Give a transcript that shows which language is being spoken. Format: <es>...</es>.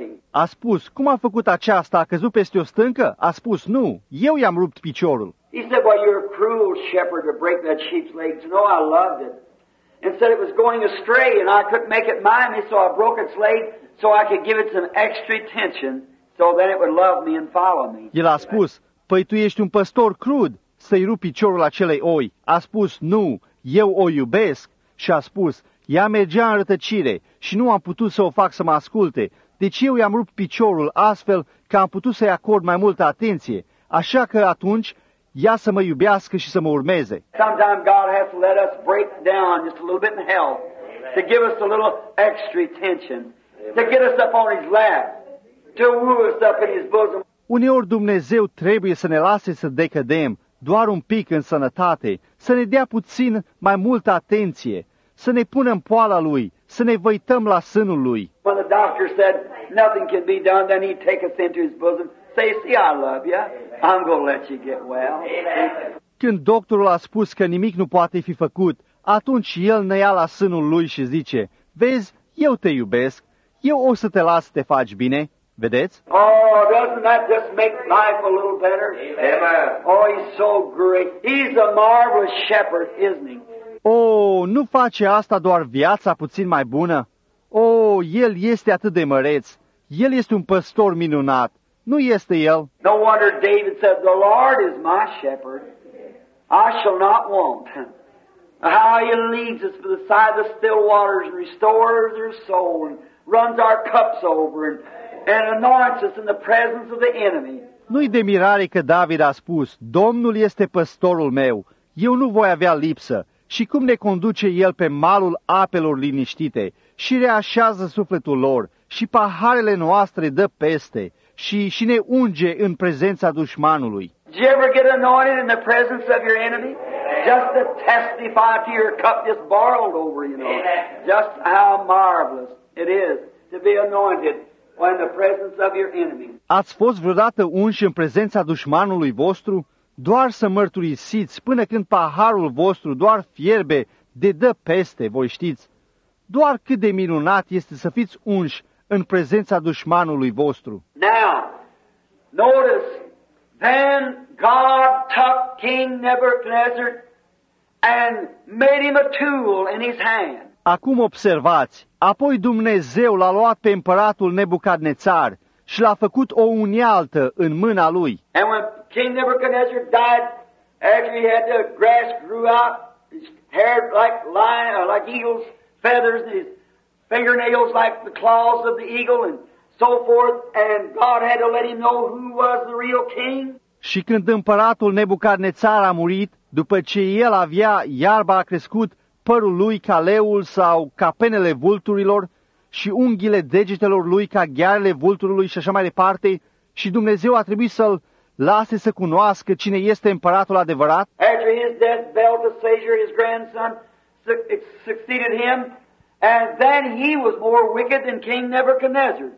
<ro>A spus, cum a făcut aceasta? A căzut peste o stâncă? A spus, nu, eu i-am rupt piciorul.</ro> <en>He said, well, you're a cruel shepherd to break that sheep's legs. No, I loved it. And said it was going astray and I couldn't make it mind me, so I broke its leg so I could give it some extra attention so then it would love me and follow me.</en> <ro>El a spus, păi tu ești un păstor crud să-i rupi piciorul acelei oi. A spus, nu, eu o iubesc. Și a spus, ea mergea în rătăcire și nu am putut să o fac să mă asculte. Deci eu i-am rupt piciorul astfel că am putut să-i acord mai multă atenție. Așa că atunci ia să mă iubească și să mă urmeze.</ro> <en>Sometimes God has to let us break down just a little bit in health. To give us a little extra attention. To get us up on his lap. To woo us up in his bosom.</en> <ro>Uneori Dumnezeu trebuie să ne lase să decădem doar un pic în sănătate, să ne dea puțin mai multă atenție, să ne punem poala lui, să ne văităm la sânul lui.</ro> <en>When the doctor said nothing can be done, then he'd take us into his bosom. Say, see, I love you. I'm going to let you get well.</en> <ro>Când doctorul a spus că nimic nu poate fi făcut, atunci el ne ia la sânul lui și zice, vezi, eu te iubesc, eu o să te las să te faci bine, vedeți?</ro> <en>Oh, doesn't that just make life a little better? Amen. Oh, he's so great. He's a marvelous shepherd, isn't he?</en> <ro>Oh, nu face asta doar viața puțin mai bună? Oh, el este atât de măreț. El este un păstor minunat. Nu este el.</ro> <en>No wonder David said, the Lord is my shepherd. I shall not want. How he leads us beside the still waters and restores our soul and runs our cups over and anoints us in the presence of the enemy.</en> <ro>Nu-i de mirare că David a spus, Domnul este păstorul meu, eu nu voi avea lipsă. Și cum ne conduce el pe malul apelor liniștite și reașează sufletul lor și paharele noastre dă peste. Și ne unge în prezența dușmanului.</ro> <en>Did you ever get anointed in the presence of your enemy? Just to testify to your cup just borrowed over, you know. Just how marvelous it is to be anointed in the presence of your enemy.</en> <ro>Ați fost vreodată unși în prezența dușmanului vostru? Doar să mărturisiți până când paharul vostru doar fierbe de dă peste, voi știți. Doar cât de minunat este să fiți unși în prezența dușmanului vostru.</ro> <en>Now, notice, then God took King Nebuchadnezzar and made him a tool in his hand.</en> <ro>Acum observați, apoi Dumnezeu l-a luat pe împăratul Nebucadnețar și l-a făcut o unealtă în mâna lui.</ro> <en>And when King Nebuchadnezzar died, actually had the grass grew out, his hair like lion, like eagle's feathers, and his fingernails like the claws of the eagle and so forth, and God had to let him know who was the real king.</en> <ro>Și când împăratul Nebucadnețar a murit, după ce el avea iarba a crescut, părul lui ca leul sau ca penele vulturilor și unghiile degetelor lui ca ghearele vulturului și așa mai departe, și Dumnezeu a trebuit să-l lase să cunoască cine este împăratul adevărat.</ro> <en>After his death, Belteshazzar, his grandson, succeeded him. And then he was more wicked than King Nebuchadnezzar.</en>